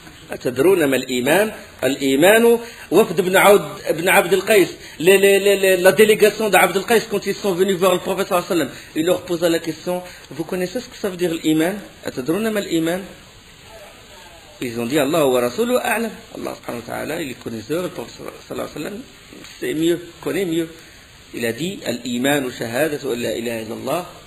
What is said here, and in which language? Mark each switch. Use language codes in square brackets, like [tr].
[ar] أتدرون ما الإيمان؟ الإيمان وفد بن عبد القيس. [fr] La délégation d'Abd al-Qais, quand ils sont venus voir le prophète sallallahu alayhi wa sallam, il leur posa la question, vous connaissez ce que ça veut dire l'Iman? [ar] أتدرون ما الإيمان؟ [fr] Ils ont dit, [ar] Allah wa Rasulu a'lam. [fr] Allah subhanahu wa ta'ala, il est connaisseur, le prophète sallallahu alayhi wa sallam, c'est mieux, connaît mieux. Il a dit, [ar] الإيمان شهادة ولا إله إلا الله.